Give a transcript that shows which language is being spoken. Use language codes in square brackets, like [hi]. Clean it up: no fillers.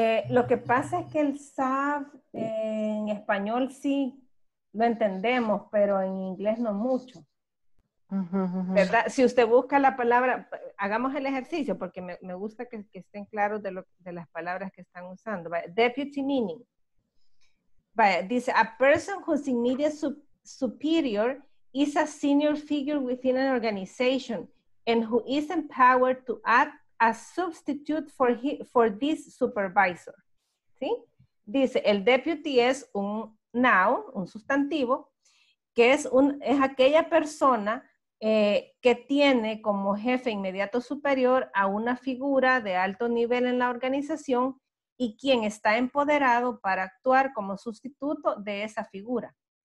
[es] Lo que pasa es que el SAB en español sí lo entendemos, pero en inglés no mucho. ¿Verdad? Si usted busca la palabra, hagamos el ejercicio porque me gusta que estén claros de, lo, de las palabras que están usando. ¿Vale? [en] Deputy meaning. [es] ¿Vale? [en] Dice, a person whose immediate superior is a senior figure within an organization and who is empowered to act as substitute for, for this supervisor. [es] ¿Sí? Dice, el deputy es un noun, un sustantivo, que es, un, es aquella persona que tiene como jefe inmediato superior a una figura de alto nivel en la organización y quien está empoderado para actuar como sustituto de esa figura.